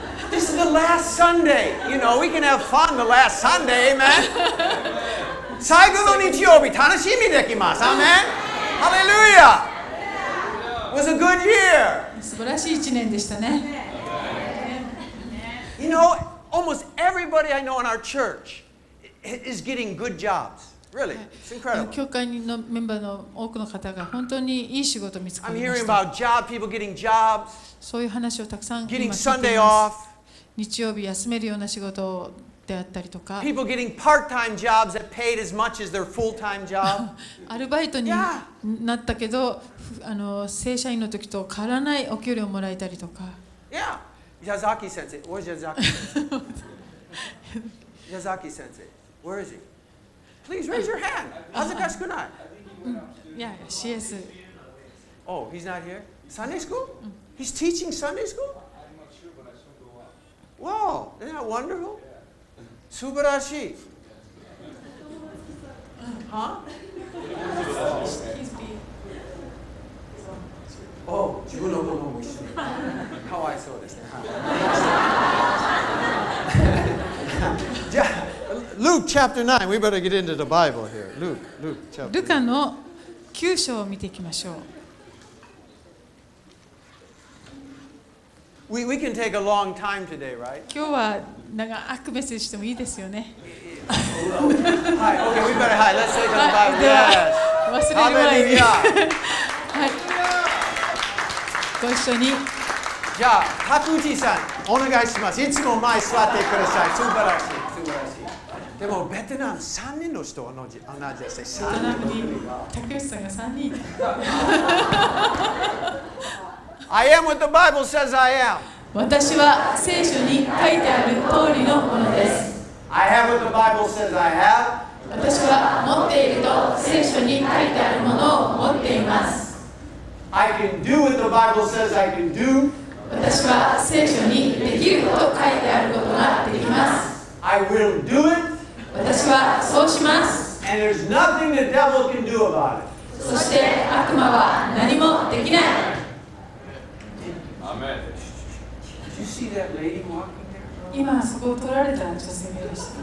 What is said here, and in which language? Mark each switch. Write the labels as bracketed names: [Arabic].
[English] This is the last Sunday You know, we can have fun the last Sunday, amen [Japanese] 最後の日曜日楽しみできます [English] Amen Hallelujah It was a good year [Japanese] 素晴らしい一年でしたね [English] You know,Almost everybody I know in our church is getting good jobs. Really, it's incredible. [Japanese] 教会のメンバーの多くの方が本当にいい仕事を見つけました。 [English] I'm hearing about job people getting jobs. [Japanese] そういう話をたくさん [English] Getting Sunday off. [Japanese] 日曜日休めるような仕事であったりとか。 [English] People getting part-time jobs that paid as much as their full-time job. [Japanese] アルバイトになったけど、正社員の時と変わらないお給料をもらえたりとか。 [English] Yeah. Yazaki sensei, where's Yazaki? Yazaki sensei, where is he? Please raise your hand. [Japanese] Hazukashiku nai. [English] Yeah, she is. Oh, he's not here? Sunday school? He's teaching Sunday school? I'm not sure, but I should go on. Whoa, isn't that wonderful? Subarashi. Huh? [Japanese] Oh, 自分の子も一緒に。かわいそうですね。 [English] じゃあ、Luke chapter 9, we better get into the Bible here. Luke chapter 9. [Japanese] ルカの9章を見ていきましょう。 [English] We can take a long time today, right? [Japanese] 今日は長くメッセージしてもいいですよね。 [English] はい、OK, we better, hi, let's take a look at the Bible. Yes. [Japanese] 忘れるぐらい。はい。ご一緒にじゃあ、タクジさん、お願いします。いつも前座ってください。素晴らしい、素晴らしい。でも、ベテナム3人の人は同じです。 3人の人は。ベテナムに、タクジさんが3人。 [English] I am what the Bible says I am. [Japanese] 私は聖書に書いてある通りのものです。 [English] I have what the Bible says I have. [Japanese] 私は持っていると聖書に書いてあるものを持っています。 [English] I can do what the Bible says I can do. [Japanese] 私は聖書にできると書いてあることができます。 [English] I will do it. [Japanese] 私はそうします。 [English] And there's nothing the devil can do about it. [Japanese] そして悪魔は何もできない。 [English] Amen. Did you see that lady walking there? [Japanese] 今そこを撮られた女性がいました。